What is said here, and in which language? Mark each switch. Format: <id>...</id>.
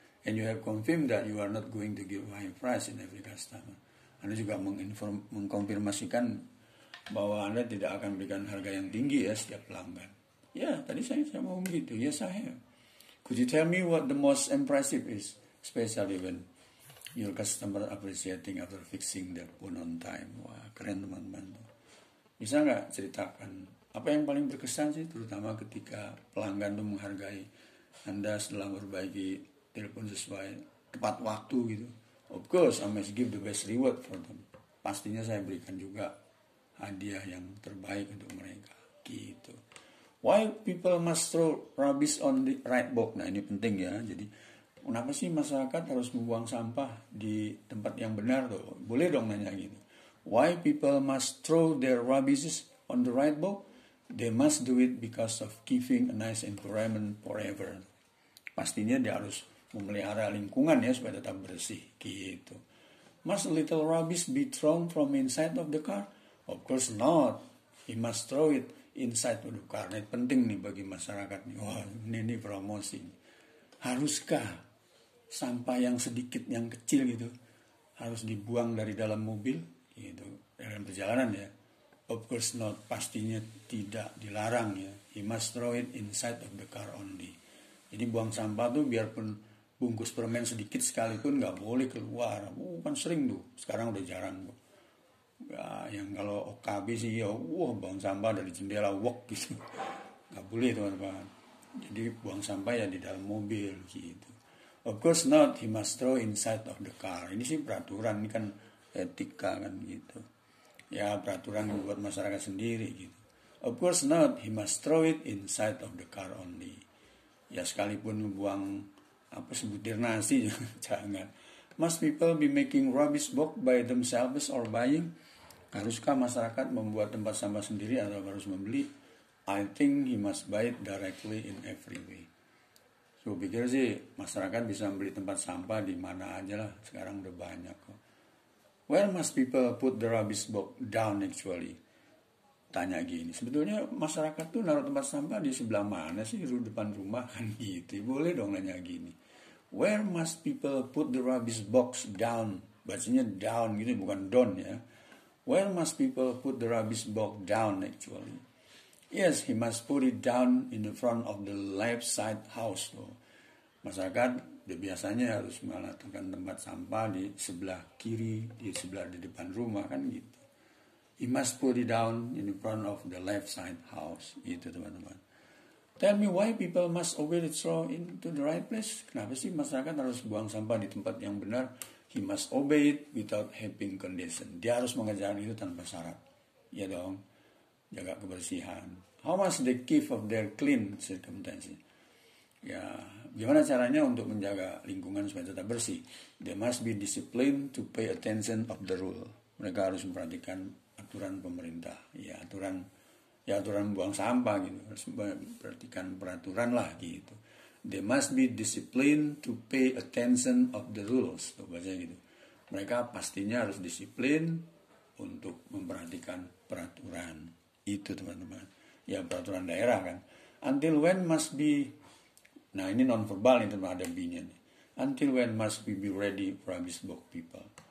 <en>And you have confirmed that you are not going to give high price in every customer.</en> <id>Anda juga mengkonfirmasikan bahwa Anda tidak akan memberikan harga yang tinggi ya setiap pelanggan. Ya, yeah, tadi saya mau begitu.</id> <en>Yes I have. Could you tell me what the most impressive is, especially when your customer appreciating after fixing their phone on time?</en> <id>Wah, keren teman-teman. Bisa nggak ceritakan apa yang paling berkesan sih, terutama ketika pelanggan tuh menghargai Anda setelah memperbaiki telepon sesuai tepat waktu gitu.</id> <en>Of course, I must give the best reward for them.</en> <id>Pastinya saya berikan juga hadiah yang terbaik untuk mereka. Gitu.</id> <en>Why people must throw rubbish on the right box?</en> <id>Nah, ini penting ya. Jadi, kenapa sih masyarakat harus membuang sampah di tempat yang benar tuh? Boleh dong nanya gitu.</id> <en>Why people must throw their rubbish on the right box? They must do it because of giving a nice environment forever.</en> <id>Pastinya dia harus memelihara lingkungan ya supaya tetap bersih gitu.</id> <en>Must a little rubbish be thrown from inside of the car? Of course not. He must throw it inside of the car.</en> <id>Ini penting nih bagi masyarakat nih. Wah, ini promosi. Haruskah sampah yang sedikit, yang kecil gitu harus dibuang dari dalam mobil gitu dalam perjalanan ya?</id> <en>Of course not,</en> <id>pastinya tidak dilarang ya.</id> <en>He must throw it inside of the car only.</en> <id>Jadi buang sampah tuh biarpun bungkus permen sedikit sekalipun gak boleh keluar. Kan sering tuh, sekarang udah jarang. yang kalau OKB sih ya, wah buang sampah dari jendela, wok gitu. Gak boleh teman-teman. Jadi buang sampah ya di dalam mobil gitu.</id> <en>Of course not, he must throw inside of the car.</en> <id>Ini sih peraturan, ini kan etika kan gitu. Ya peraturan buat masyarakat sendiri gitu.</id> <en>Of course not, he must throw it inside of the car only.</en> <id>Ya sekalipun buang apa sebutir nasi jangan.</id> <en>Must people be making rubbish box by themselves or buying?</en> <id>Haruskah masyarakat membuat tempat sampah sendiri atau harus membeli?</id> <en>I think he must buy it directly in every way.</en> <id>So pikir sih masyarakat bisa membeli tempat sampah di mana aja lah. Sekarang udah banyak kok.</id> <en>Where must people put the rubbish box down actually?</en> <id>Tanya gini. Sebetulnya masyarakat tuh naruh tempat sampah di sebelah mana sih? Di depan rumah kan gitu. Boleh dong nanya gini.</id> <en>Where must people put the rubbish box down?</en> <id>Bacanya down gitu, bukan don ya.</id> <en>Where must people put the rubbish box down actually? Yes, he must put it down in the front of the left side house.</en> <id>Tuh. Masyarakat biasanya harus meletakkan tempat sampah di sebelah kiri, di sebelah di depan rumah kan gitu.</id> <en>He must put it down in the front of the left side house.</en> <id>Gitu teman-teman.</id> <en>Tell me why people must always throw into the right place.</en> <id>Kenapa sih masyarakat harus buang sampah di tempat yang benar?</id> <en>He must obey it without having condition.</en> <id>Dia harus mengerjakan itu tanpa syarat. Ya dong, jaga kebersihan.</id> <en>How must they keep of their clean circumstances?</en> <id>Ya, gimana caranya untuk menjaga lingkungan supaya tetap bersih?</id> <en>They must be disciplined to pay attention of the rule.</en> <id>Mereka harus memperhatikan aturan pemerintah. Ya aturan buang sampah gitu. Harus memperhatikan peraturan lah gitu.</id> <en>They must be disciplined to pay attention of the rules.</en> <id>Tuh, bahasanya gitu. Mereka pastinya harus disiplin untuk memperhatikan peraturan. Itu teman-teman. Ya peraturan daerah kan.</id> <en>Until when must be...</en> <id>Nah ini non-verbal ini teman-teman, ada B-nya nih.</id> <en>Until when must we be ready for rubbish box people?</en>